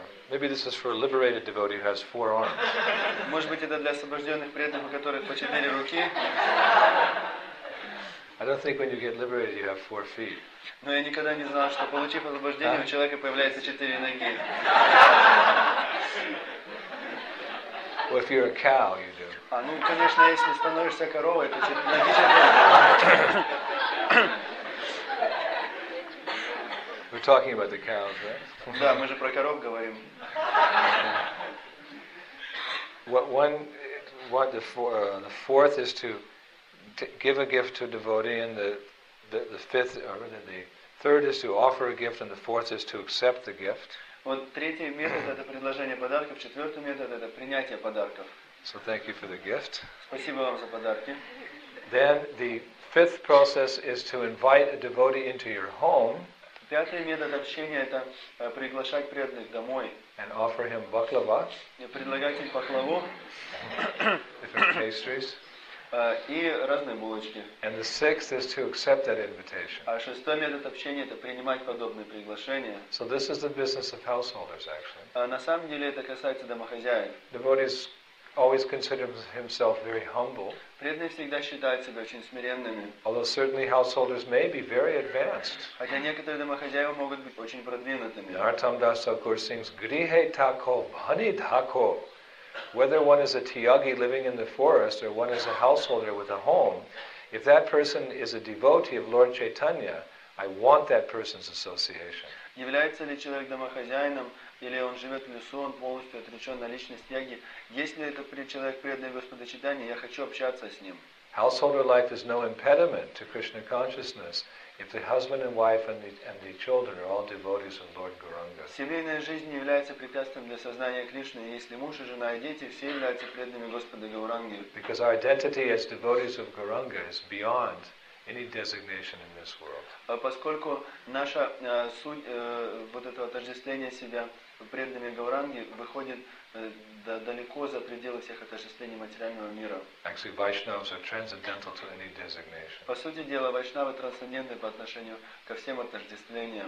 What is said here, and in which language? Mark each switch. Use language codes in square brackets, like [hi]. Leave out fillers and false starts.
[en] Maybe this is for a liberated devotee who has four arms. [ru] Может быть, это для освобожденных преданных, у которых по четыре руки. [en] I don't think when you get liberated you have four feet. [ru] Но я никогда не знал, что получив освобождение, у человека появляется четыре ноги. [en] Well, if you're a cow, you do. [ru] Ну, конечно, если становишься коровой, то четыре ноги. [en] We're talking about the cows, right? [ru] Да, мы же про коров говорим. [en] What one, what the four, the fourth is to give a gift to a devotee, and the fifth, or the third is to offer a gift, and the fourth is to accept the gift. [ru] Вот третий метод это предложение подарков, четвертый метод это принятие подарков. [en] So thank you for the gift. [ru] Спасибо вам за подарки. [en] Then the fifth process is to invite a devotee into your home. [ru] Пятый метод общения это приглашать преданных домой. [en] And offer him баклава. [ru] Предлагать им баклаву. [en] Different pastries. [ru] И разные булочки. [en] And the sixth is to accept that invitation. [ru] А шестой метод общения это принимать подобные приглашения. [en] So this is the business of householders, actually. [ru] На самом деле это касается домохозяев. [en] Devotees always consider himself very humble. [ru] Преданные всегда считают себя очень смиренными. [en] Although certainly householders may be very advanced. [ru] Хотя некоторые домохозяева могут быть очень продвинутыми. [bn] Нартам Дас Такур sings, Грихе тако бхани тако. [en] Whether one is a тьяги living in the forest or one is a householder with a home, if that person is a devotee of Lord Chaitanya, I want that person's association. [ru] Является ли человек домохозяином, или он живет в лесу, он полностью отречен на личность яги. Если это человек преданный Господа Читания, я хочу общаться с ним. [en] Householder life is no impediment to Krishna consciousness if the husband and wife and the children are all devotees of Lord Gauranga. [ru] Семейная жизнь не является препятствием для сознания Кришны, если муж и жена и дети все являются преданными Господа Гауранги. [en] Because our identity as devotees of Gauranga is beyond any designation in this world. [ru] Поскольку наша суть вот этого отождествления себя преданными Гауранги выходит далеко за пределы всех отождествлений материального мира. [en] Actually, Vaishnavas are transcendental to any designation. [ru] По сути дела, Вайшнавы трансцендентны по отношению ко всем отождествлениям.